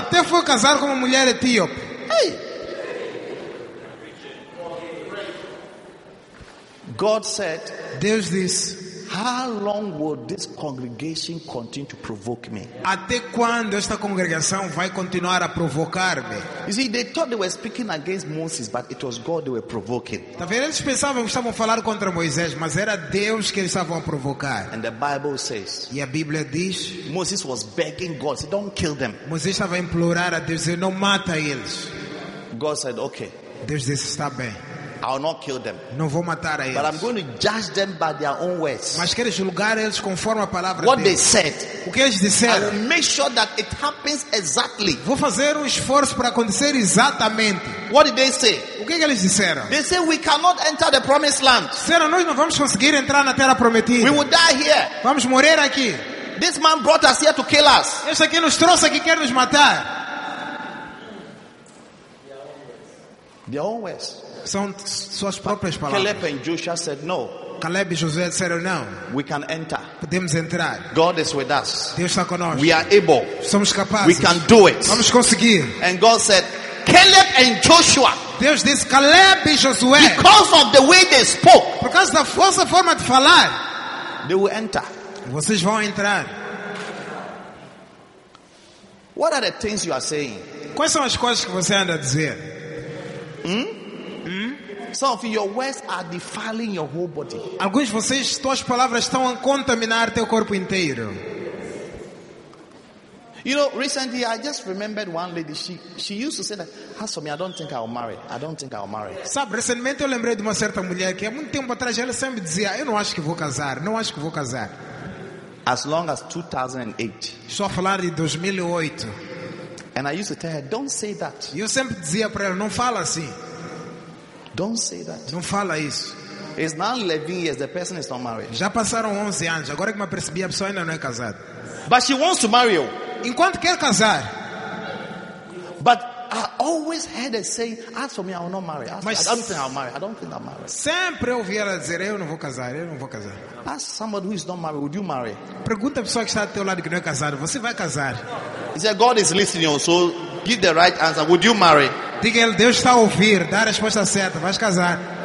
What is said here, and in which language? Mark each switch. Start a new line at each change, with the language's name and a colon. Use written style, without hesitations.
Portuguese: Até foi casar com uma mulher etíope.
English: Hey. God said,
Portuguese: Deus disse,
English: how long will this congregation continue to provoke me?
Portuguese: Até quando esta congregação vai continuar a provocar-me?
English: You see, they thought they were speaking against Moses, but it was God they were provoking.
Portuguese: Tá vendo? Eles pensavam que estavam falando contra Moisés, mas era Deus que eles estavam a provocar.
English: And the Bible says,
Portuguese: e a Bíblia diz,
English: Moses was begging God, said, "Don't kill them."
Portuguese: Moisés estava a implorar a Deus, não mata eles.
English: God said, "Okay."
Portuguese: Deus disse, está bem.
English: I will not kill them.
Portuguese: Não vou matar a eles.
English: But I'm going to judge them by their own words.
Portuguese: Mas quero julgar eles conforme a palavra
English: what
Portuguese: deles.
English: They said.
Portuguese: O que eles disseram.
English: I will make sure that it happens exactly.
Portuguese: Vou fazer esforço para acontecer exatamente.
English: What did they say?
Portuguese: O que eles disseram?
English: They say we cannot enter the promised land.
Portuguese: Disseram, nós não vamos conseguir entrar na terra prometida.
English: We will die here.
Portuguese: Vamos morrer aqui.
English: This man brought us here to kill us.
Portuguese: Esse aqui nos trouxe aqui quer nos matar.
English: Their own words.
Portuguese: São suas próprias palavras.
English: Caleb and Joshua said no.
Portuguese: Caleb e Josué disseram não.
English: We can enter.
Portuguese: Podemos entrar.
English: God is with us.
Portuguese: Deus está conosco.
English: We are able.
Portuguese: Somos capazes.
English: We can do it.
Portuguese: Vamos conseguir.
English: And God said, Caleb and Joshua.
Portuguese: Deus disse, Caleb e Josué.
English: Because of the way they spoke.
Portuguese: Por causa da força forma de falar.
English: They will enter.
Portuguese: Vocês vão entrar.
English: What are the things you are saying?
Portuguese: Quais são as coisas que você anda a dizer?
English: Some of your words are defiling your whole body.
Portuguese: Alguns de vocês, suas palavras estão a contaminar teu corpo inteiro.
English: You know, recently I just remembered one lady. She used to say that, "As for me, I don't think I'll marry. I don't think I'll marry."
Portuguese: Sabe, recentemente eu lembrei de uma certa mulher que há muito tempo atrás ela sempre dizia, "Eu não acho que vou casar. Não acho que vou casar."
English: As long as 2008.
Portuguese: Estou a falar de 2008.
English: And I used to tell her, "Don't say that."
Portuguese: Eu sempre dizia para ela, "Não fala assim."
English: Don't say that.
Portuguese: Não fala isso.
English: It's now 11 years. The person is not married.
Portuguese: Já passaram 11 anos. Agora que me percebi, a pessoa ainda não é casada.
English: But she wants to marry you.
Portuguese: Enquanto quer casar.
English: But I always heard her say, "As for me, I will not marry. I don't think I'll marry. I don't think I'll marry."
Portuguese: Sempre ouvi ela dizer, "Eu não vou casar. Eu não vou casar."
English: Ask somebody who is not married. Would you marry?
Portuguese: Pergunta a pessoa que está do teu lado que não é casada. Você vai casar?
English: He said, "God is listening. So give the right answer. Would you marry?"
Portuguese: Diga ele, Deus está a ouvir, dá a resposta certa, vais casar.